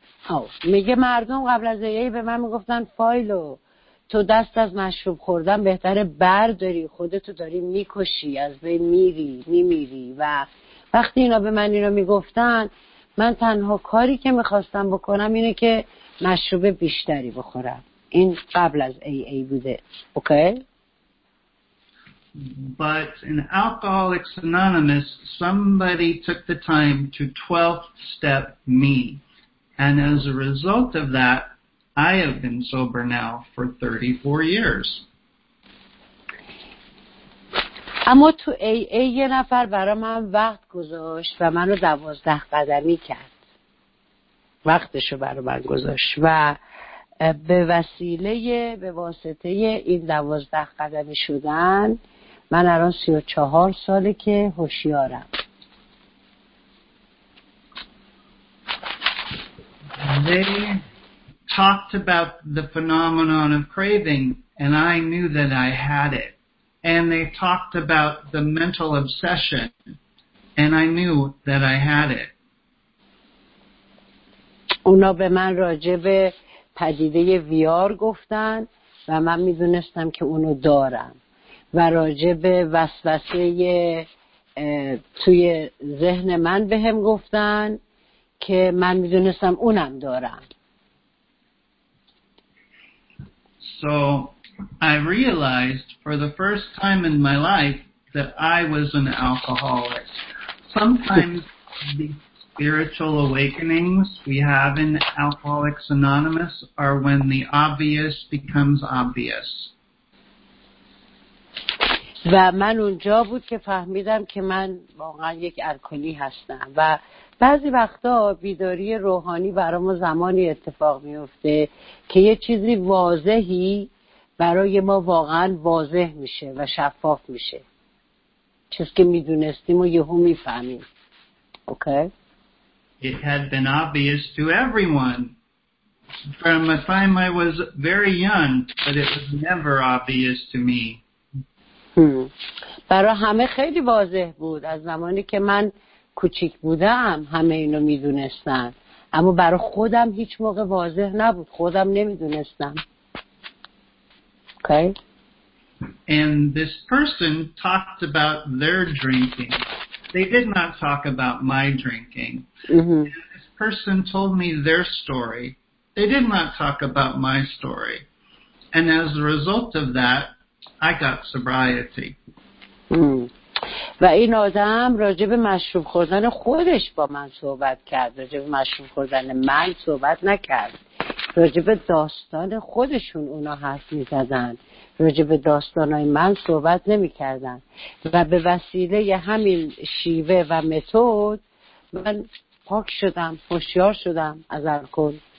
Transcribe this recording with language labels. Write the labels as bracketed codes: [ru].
[fa] Oh, میگه مردم قبل از AA به من میگفتن فایلو تو دست از مشروب خوردن بهتره برداری، خودتو داری میکشی، از بین میری، میمیری. و وقتی اینا به من اینو میگفتن، من تنها کاری که میخواستم بکنم اینه که مشروب بیشتری بخورم. این قبل از AA بوده. اوکی؟ [en] But in Alcoholics Anonymous, somebody took the time to 12-step me. And as a result of that, I have been sober now for 34 years. [fa] اما تو AA یه نفر برای من وقت گذاشت و منو 12 قدمی کرد. وقتشو برای من گذاشت و به وسیله به واسطه این 12 قدمی شدن من الان 34 ساله که هوشیارم. [en] They talked about the phenomenon of craving and I knew that I had it. And they talked about the mental obsession, and I knew that I had it. [fa] اونا به من راجع به پدیده VR گفتن و من میدونستم که اونو دارم و راجع به وسوسه توی ذهن من بهم گفتن که من میدونستم اونم دارم. [en] So I realized for the first time in my life that I was an alcoholic. Sometimes the spiritual awakenings we have in Alcoholics Anonymous are when the obvious becomes obvious. [fa] و من اونجا بود که فهمیدم که من واقعا یک الکلی هستم و بعضی وقتا بیداری روحانی برام زمانی اتفاق میفته که یه چیزی واضحی برای ما واقعا واضح میشه و شفاف میشه. چیزی که میدونستیم و یهو میفهمیم. [en] Okay? It had been obvious to everyone from the time I was very young, but it was never obvious to me. [fa] برای همه خیلی واضح بود از زمانی که من کوچیک بودم، همه اینو میدونستن، اما برای خودم هیچ موقع واضح نبود، خودم نمیدونستم. [en] Okay. And this person talked about their drinking. They did not talk about my drinking. Mm-hmm. This person told me their story. They did not talk about my story. And as a result of that, I got sobriety. [fa] و این آدم راجع به مشروب خوردن خودش با من صحبت کرد، راجع به مشروب خوردن من صحبت نکرد. راجب داستان خودشون اونا حرف می زدن، راجب داستانای من صحبت نمی کردن و به وسیله همین شیوه و متد من پاک شدم، هوشیار شدم از الکل.